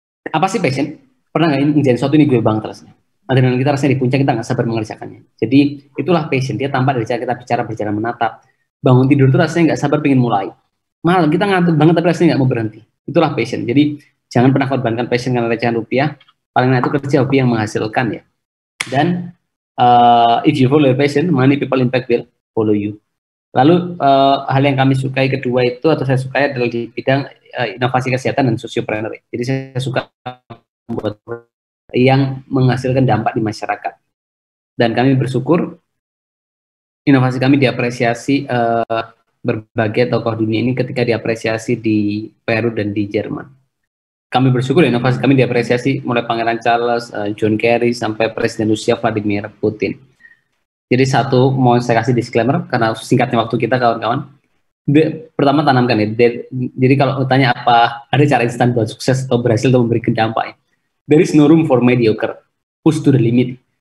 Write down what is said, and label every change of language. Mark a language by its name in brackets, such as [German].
[Indonesian] Apa sih passion? Pernah nggak ngejalanin sesuatu ini gue banget rasanya? Adrenalin kita rasanya di puncak, kita nggak sabar mengerjakannya. Jadi itulah passion, dia tampak dari cara kita bicara, berjalan menatap. Bangun tidur itu rasanya nggak sabar pengen mulai. Malah kita ngantuk banget tapi rasanya nggak mau berhenti. Itulah passion. Jadi jangan pernah korbankan passion karena recehan rupiah. Paling enak itu kerja hobi yang menghasilkan ya. [English] Dan if you follow your passion, many people impact will follow you. [Indonesian] Lalu hal yang kami sukai kedua itu atau saya sukai adalah di bidang inovasi kesehatan dan sociopreneur. Jadi saya suka membuat yang menghasilkan dampak di masyarakat. Dan kami bersyukur inovasi kami diapresiasi berbagai tokoh dunia ini ketika diapresiasi di Peru dan di Jerman. Kami bersyukur inovasi kami diapresiasi mulai Pangeran Charles, John Kerry, sampai Presiden Rusia Vladimir Putin. Jadi satu mau saya kasih disclaimer karena singkatnya waktu kita kawan-kawan. Pertama tanamkan ya, jadi kalau ditanya apa ada cara instan buat sukses atau berhasil atau memberikan dampak ya. [English] There is no room for mediocre, push to the limit.